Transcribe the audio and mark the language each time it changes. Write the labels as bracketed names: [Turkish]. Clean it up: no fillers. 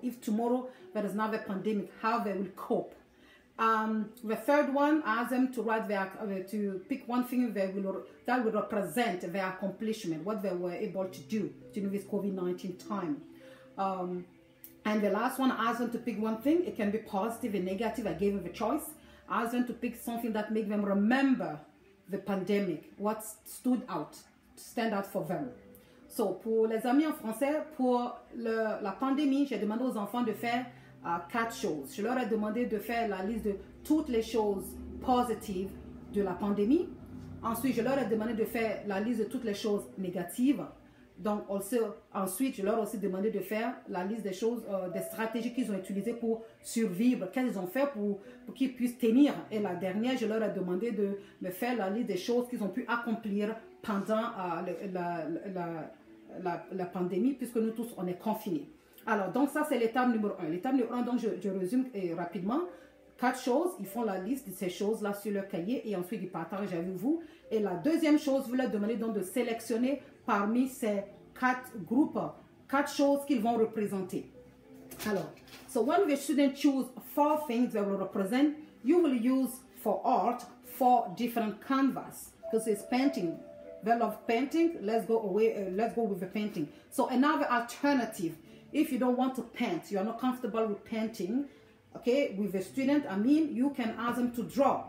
[English] If tomorrow there is another pandemic, how they will cope? The third one, I ask them to write to pick one thing that will represent their accomplishment, what they were able to do during this COVID-19 time. And the last one, I ask them to pick one thing. It can be positive and negative. I gave them the choice. I ask them to pick something that make them remember the pandemic, what stood out, stand out for them. [French] So, pour les amis en français, pour la pandémie, j'ai demandé aux enfants de faire quatre choses. Je leur ai demandé de faire la liste de toutes les choses positives de la pandémie. Ensuite, je leur ai demandé de faire la liste de toutes les choses négatives. Donc, also, ensuite, je leur ai aussi demandé de faire la liste des choses, des stratégies qu'ils ont utilisées pour survivre. Qu'est-ce qu'ils ont fait pour qu'ils puissent tenir? Et la dernière, je leur ai demandé de me faire la liste des choses qu'ils ont pu accomplir pendant la pandémie, puisque nous tous, on est confinés. Alors, donc, ça, c'est l'étape numéro 1. L'étape numéro 1, donc, je résume rapidement. Quatre choses, ils font la liste de ces choses-là sur leur cahier, et ensuite, ils partagent avec vous. Et la deuxième chose, vous leur demandez donc de sélectionner parmi ces quatre groupes, quatre choses qu'ils vont représenter. [English] Alors, so when the student choose four things that will represent, you will use for art four different canvas, because it's painting. They love painting, let's go with the painting. So another alternative, if you don't want to paint, you are not comfortable with painting, okay, with the student, I mean, you can ask them to draw.